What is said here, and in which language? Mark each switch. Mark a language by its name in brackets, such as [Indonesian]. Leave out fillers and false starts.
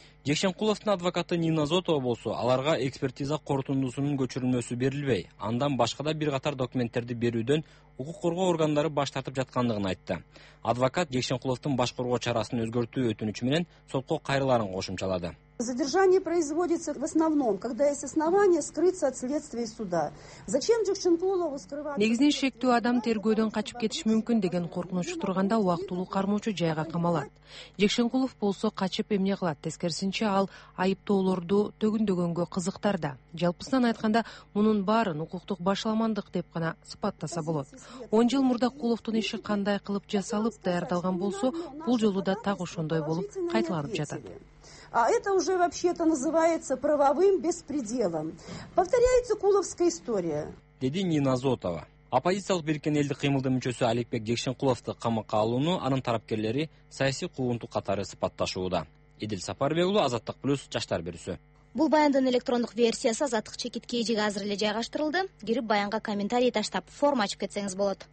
[Kyrgyz] Жекшенкуловдун адвокаты Нина Зотова болсо, аларга экспертиза корутундусунун көчүрүлмөсү берилбей, андан башка да бир катар документтерди берүүдөн укук коргоо органдары баш тартып жаткандыгын айтты. Адвокат Жекшенкуловдун баш коргоо чарасын өзгөртүү өтүнүчү менен сотко кайрыларын кошумчалады. [Russian] Задержание производится в основном, когда есть основания скрыться от следствия и суда. Зачем Жекшенкулову скрываться? [Kyrgyz] Негизинен шектүү адам тергөөдөн качып кетиш мүмкүн деген коркунуч турганда убактылуу кармоочу жайга камалат. Жекшенкулов болсо качып эмне кылат? Тескерисинче ал айыптоолорду төгүндөгөнгө кызыктар да. Жалпысынан айтканда мунун баарын укуктук башаламандык деп гана сыпаттаса болот. 10 жыл мурда Куловдун иши кандай кылып жасалып даярдалган болсо, бул жолу да так ошондой болуп кайталанып жатат. [Russian] А это уже вообще-то называется правовым беспределом. Повторяется Куловская история. [Kyrgyz] Деди Нина Зотова. Оппозициялык Биркен элдик кыймылдын мүчөсү Аликбек Жекшенкуловду камакка алууну анын тарапкерлери саясий куугунтук катары сыпатташууда. Эдил Сапарбек уулу Азаттык Плюс жаштар берүүсү. Бул баяндын электрондук версиясы Азаттык чекит кежиге азыр эле жайгаштырылды. Кирип баянга комментарий таштап, форма ачып кетсеңиз болот.